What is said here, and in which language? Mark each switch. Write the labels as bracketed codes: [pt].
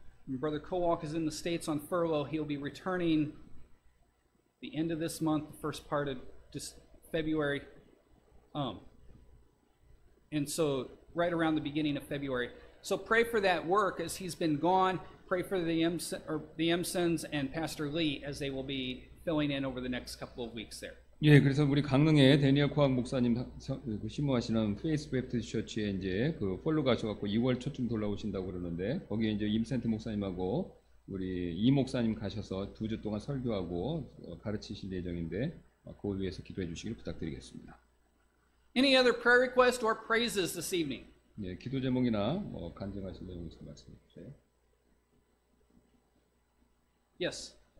[en] Brother Kowalk is in the States on furlough. He'll be returning the end of this month, the first part of February. And so right around the beginning of February. So pray for that work as he's been gone. Pray for the Emsons and Pastor Lee as they will be filling in over the next couple of weeks there. [ko] 예, 그래서 우리 강릉에 대니엘 코학 목사님 신무하시는 페이스 베프트 셔츠에 이제 그 폴로 가셔갖고 2월 초쯤 돌아오신다고 그러는데 거기에 이제 임센트 목사님하고 우리 이 목사님 가셔서 두 주 동안 설교하고 가르치실 예정인데 그 위해서 기도해 주시길 부탁드리겠습니다. [en] Any other prayer requests or praises this evening? [ko] 예, 기도 제목이나 뭐 간증하신 내용 있으면 말씀해 주세요. [en] Yes.